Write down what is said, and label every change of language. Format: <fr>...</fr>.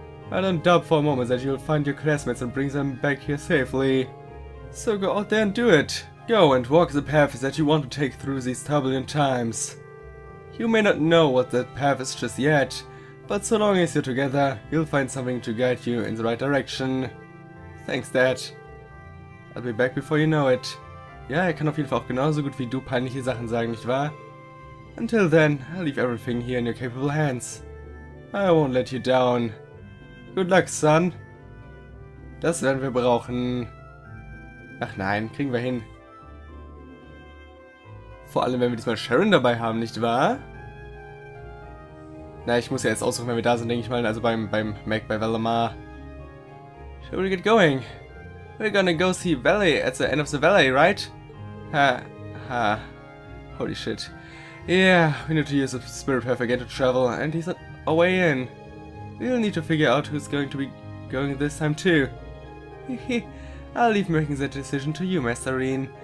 <en>I don't doubt for a moment that you'll find your classmates and bring them back here safely. So go out there and do it. Go and walk the path that you want to take through these turbulent times. You may not know what that path is just yet, but so long as you're together, you'll find something to guide you in the right direction. Thanks, Dad. I'll be back before you know it.</en> <de>Ja, er kann auf jeden Fall auch genauso gut wie du peinliche Sachen sagen, nicht wahr?</de> <en>Until then, I'll leave everything here in your capable hands. I won't let you down. Good luck, son.</en> <de>Das werden wir brauchen. Ach nein, kriegen wir hin. Vor allem, wenn wir diesmal Sharon dabei haben, nicht wahr? Na, ich muss ja jetzt aussuchen, wenn wir da sind, denke ich mal. Also beim Mac bei Valdemar.</de> <en>Shall we get going? We're gonna go see Valley at the end of the valley, right? Ha. Holy shit. Yeah, we need to use the Spirit Path again to travel, and he's on our way in. We'll need to figure out who's going to be going this time too. Hehe, I'll leave making that decision to you, Master Reen.</en>